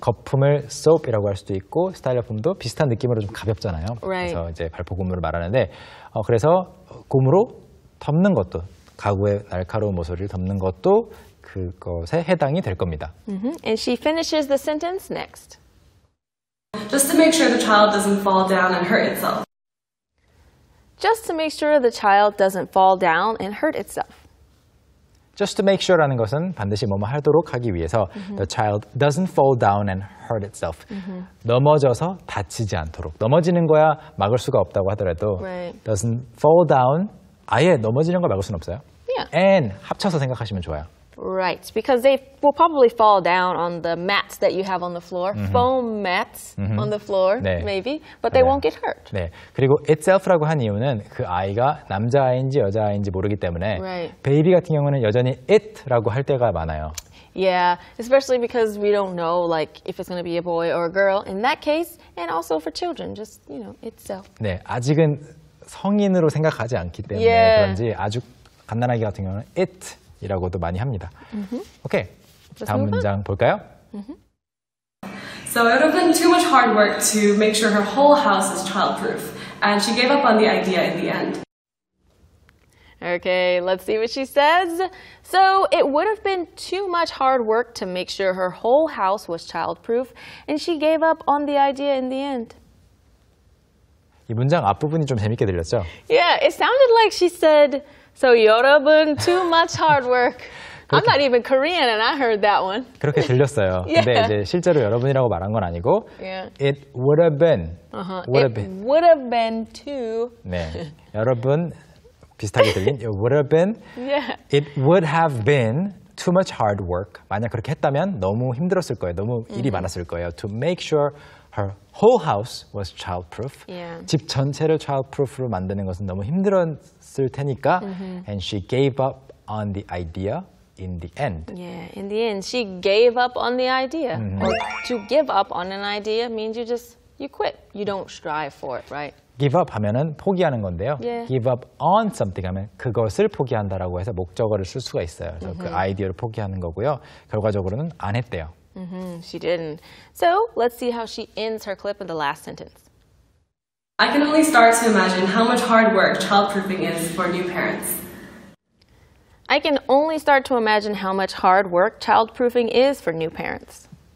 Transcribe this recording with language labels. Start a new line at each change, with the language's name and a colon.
Korean: 거품을 soap이라고 할 수도 있고 스타일러폼도 비슷한 느낌으로 좀 가볍잖아요.
English: Right.
Korean: 그래서 이제 발포 고무를 말하는데 그래서 고무로 덮는 것도 가구의 날카로운 모서리를 덮는 것도 그것에 해당이 될 겁니다.
English: Mm-hmm. And she finishes the sentence next. Just to make sure the child doesn't fall down and hurt itself. Just to make sure the child doesn't fall down and hurt itself. Just to make sure
Korean: 라는 것은 반드시 뭐뭐 하도록 하기 위해서
English: mm-hmm. the child doesn't fall down and hurt itself. Mm-hmm.
Korean: 넘어져서 다치지 않도록. 넘어지는 거야 막을 수가 없다고 하더라도
English: right. doesn't fall down,
Korean: 아예 넘어지는 거 막을 수는 없어요.
English: Yeah.
Korean: and 합쳐서 생각하시면 좋아요.
English: Right, because they will probably fall down on the mats that you have on the floor, mm-hmm. foam mats mm-hmm. on the floor,
Korean: 네.
English: maybe, but they 네. won't get hurt.
Korean: 네, 그리고 itself라고 한 이유는 그 아이가 남자아이인지 여자아이인지 모르기 때문에
English: right.
Korean: baby 같은 경우는 여전히 it라고 할 때가 많아요.
English: Yeah, especially because we don't know like if it's going to be a boy or a girl in that case, and also for children, just, you know, itself.
Korean: 네, 아직은 성인으로 생각하지 않기 때문에 yeah. 그런지 아주 갓난아기 같은 경우는 it. 이라고도 많이 합니다. 오케이, okay. 다음 문장 볼까요?
English: Mm-hmm. So it would have been too much hard work to make sure her whole house is childproof, and she gave up on the idea in the end. Okay, let's see what she says. So it would have been too much hard work to make sure her whole house was childproof, and she gave up on the idea in the end.
Korean: 이 문장 앞부분이 좀 재밌게 들렸죠?
English: Yeah, it sounded like she said, So,
Korean: 여러분,
English: too much hard work.
Korean: 그렇게,
English: I'm not even Korean and I heard that one.
Korean: 그렇게 들렸어요.
English: yeah.
Korean: 근데 이제 실제로 여러분이라고 말한 건 아니고
English: yeah. It would have been. Uh-huh. Would it have been. would have been too.
Korean: 네, 여러분, 비슷하게 들린
English: It would have been. Yeah. It would have been too much hard work.
Korean: 만약 그렇게 했다면 너무 힘들었을 거예요. 너무 일이
English: mm-hmm.
Korean: 많았을 거예요.
English: To make sure her whole house was childproof. Yeah.
Korean: 집 전체를 childproof로 만드는 것은 너무 힘들었어요. 쓸 테니까
English: mm-hmm. and she gave up on the idea in the end. Yeah, in the end she gave up on the idea. Mm-hmm. To give up on an idea means you just you quit. You don't strive for it, right? Give up
Korean: 하면은 포기하는 건데요.
English: Yeah. Give up on something
Korean: 하면 그것을 포기한다라고 해서 목적어를 쓸 수가 있어요. 그래서
English: mm-hmm.
Korean: 그 아이디어를 포기하는 거고요. 결과적으로는 안 했대요.
English: Mm-hmm. She didn't. So, let's see how she ends her clip in the last sentence. I can only start to imagine how much hard work childproofing is for new parents. I can only start to imagine how much hard work childproofing is for new parents.